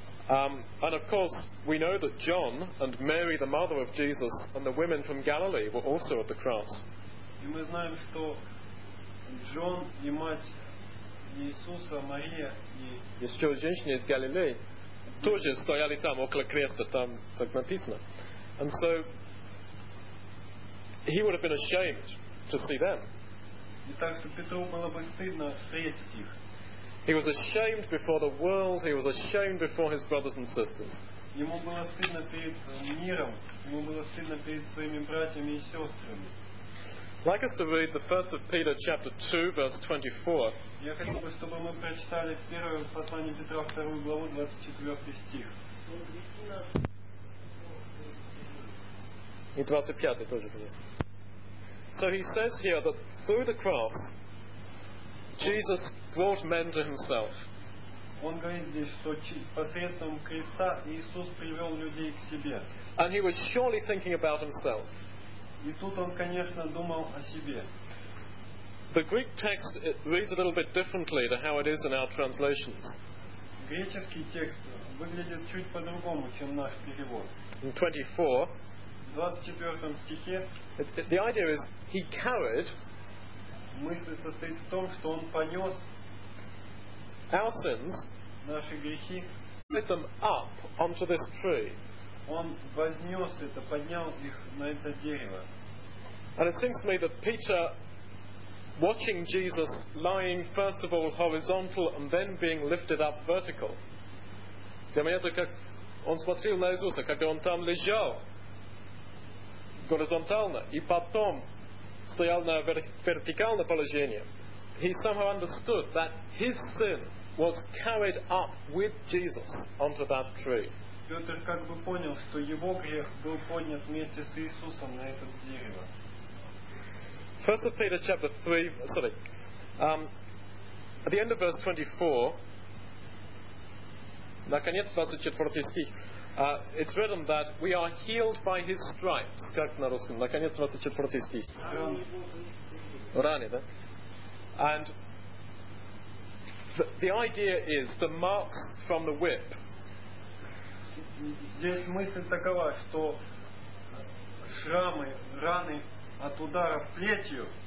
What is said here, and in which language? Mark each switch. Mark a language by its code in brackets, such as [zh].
[en] And of course, we know that John and Mary, the mother of Jesus, and the women from Galilee were also at the cross. [ru] И мы знаем, что Джон и мать Иисуса, Мария и еще женщины из Галилеи тоже стояли там около креста, там так написано. [en] And so he would have been ashamed to see them. [ru] И так что Петру было бы стыдно встретить их. [en] He was ashamed before the world. He was ashamed before his brothers and sisters. [ru] Ему было стыдно перед миром. Ему было стыдно перед своими братьями и сестрами. [en] Like us to read the first of Peter chapter 2 verse 24. [ru] Я хотел бы, чтобы мы прочитали первое послание Петра, вторую главу, 24 стих. И 25 тоже, конечно. [en] So he says here that through the cross, Jesus brought men to himself. [ru] Он говорит здесь, что посредством креста Иисус привел людей к себе. [en] And he was surely thinking about himself. [ru] И тут он, конечно, думал о себе. [en] The Greek text reads a little bit differently to how it is in our translations. [ru] Греческий текст выглядит чуть по-другому, чем наш перевод. [en] In 24, [ru] в 24 стихе, [en] the idea is he carried. [ru] Мысль состоит в том, что он понес [en] our sins, [ru] наши грехи, [en] put them up onto this tree. [ru] Он вознес это, поднял их на это дерево. [en] And it seems to me that Peter, watching Jesus lying first of all horizontal and then being lifted up vertical. [ru] Заметьте, как он смотрел на Иисуса, когда он там лежал горизонтально, и потом стоял на вертикальном положении. [en] He somehow understood that his sin was carried up with Jesus onto that tree. [ru] Петр как бы понял, что его грех был поднят вместе с Иисусом на это дерево. [en] First of Peter chapter 3, sorry, at the end of verse 24, [ru] наконец 24 стих, [en] it's written that we are healed by his stripes. [ru] Как на русском? Наконец 24 стих. Ранее, да? [en] And the idea is the marks from the whip. [ru] Здесь мысль такова, что шрамы, раны от удара плетью.